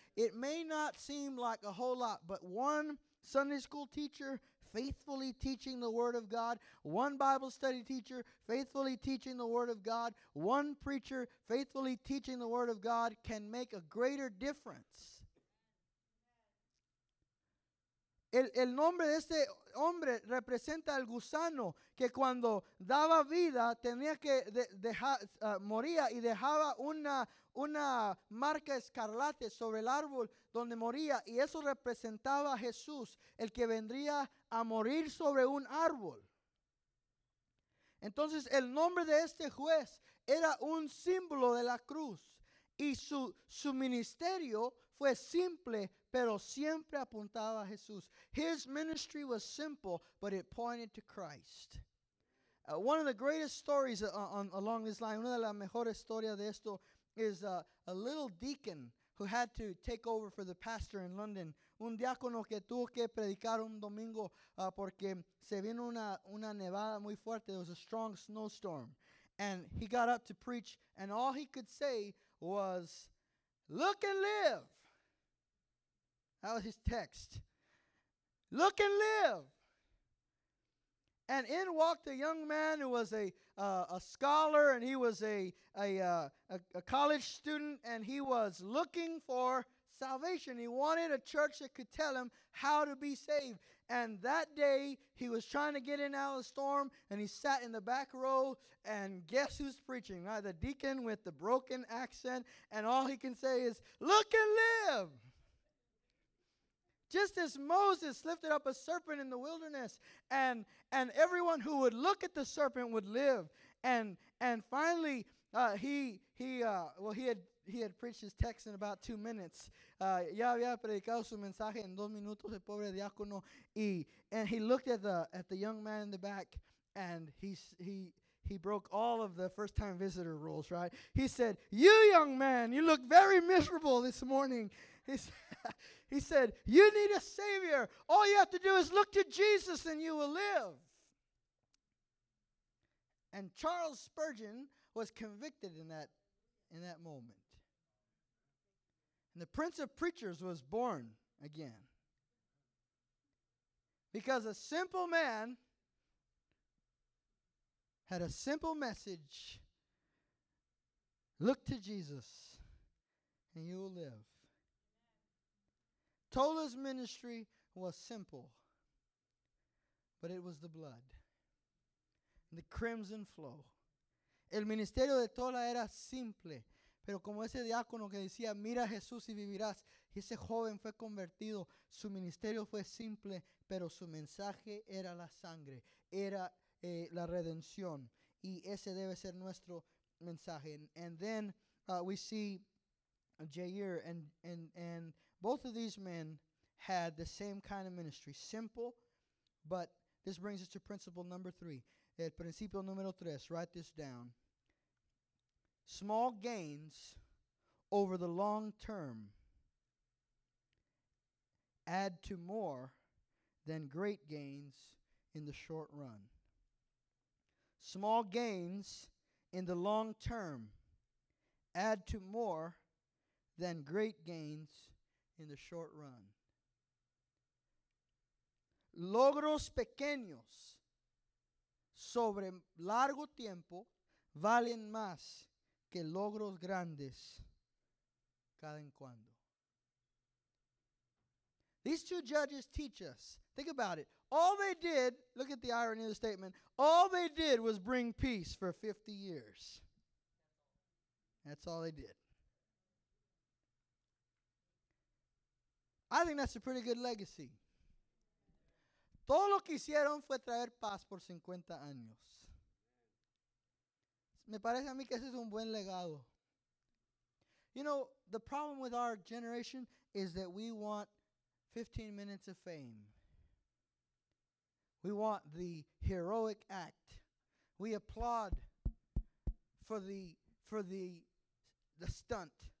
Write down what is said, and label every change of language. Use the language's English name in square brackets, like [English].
[English] It may not seem like a whole lot, but one Sunday school teacher faithfully teaching the Word of God, one Bible study teacher faithfully teaching the Word of God, one preacher faithfully teaching the Word of God can make a greater difference. [Spanish] El nombre de este hombre representa el gusano que cuando daba vida tenía que moría y dejaba una marca escarlata sobre el árbol donde moría, y eso representaba a Jesús, el que vendría a morir sobre un árbol. Entonces el nombre de este juez era un símbolo de la cruz, y su ministerio fue simple, pero siempre apuntaba a Jesús. [English] His ministry was simple, but it pointed to Christ. One of the greatest stories along this line, [Spanish] una de las mejores historias de esto, [English] is a little deacon who had to take over for the pastor in London. [Spanish] Un diácono que tuvo que predicar un domingo porque se vino una nevada muy fuerte. [English] There was a strong snowstorm. And he got up to preach, and all he could say was, "Look and live." That was his text. "Look and live." And in walked a young man who was a scholar, and he was a college student, and he was looking for salvation. He wanted a church that could tell him how to be saved. And that day, he was trying to get in out of the storm, and he sat in the back row, and guess who's preaching? Right, the deacon with the broken accent, and all he can say is, "Look and live." Just as Moses lifted up a serpent in the wilderness, and everyone who would look at the serpent would live. And finally, he had preached his text in about 2 minutes. [Spanish] Ya había predicado su mensaje en dos minutos, el pobre diácono. [English] And he looked at the young man in the back, and he broke all of the first-time visitor rules, right? He said, "You young man, you look very miserable this morning." He said, "You need a Savior. All you have to do is look to Jesus and you will live." And Charles Spurgeon was convicted in that moment. And the Prince of Preachers was born again. Because a simple man had a simple message: look to Jesus and you will live. Tola's ministry was simple, but it was the blood, the crimson flow. [Spanish] El ministerio de Tola era simple, pero como ese diácono que decía, "Mira a Jesús y vivirás", y ese joven fue convertido, su ministerio fue simple, pero su mensaje era la sangre, era la redención, y ese debe ser nuestro mensaje. [English] And then we see Jair and both of these men had the same kind of ministry. Simple, but this brings us to principle number three. [Spanish] El principio número tres. [English] Write this down. Small gains over the long term add to more than great gains in the short run. Small gains in the long term add to more than great gains in the short run. [Spanish] Logros pequeños sobre largo tiempo valen más que logros grandes cada en cuando. [English] These two judges teach us. Think about it. All they did, look at the irony of the statement, all they did was bring peace for 50 years. That's all they did. I think that's a pretty good legacy. [Spanish] Todo lo que hicieron fue traer paz por 50 años. Me parece a mí que ese es un buen legado. [English] You know, the problem with our generation is that we want 15 minutes of fame. We want the heroic act. We applaud for the stunt.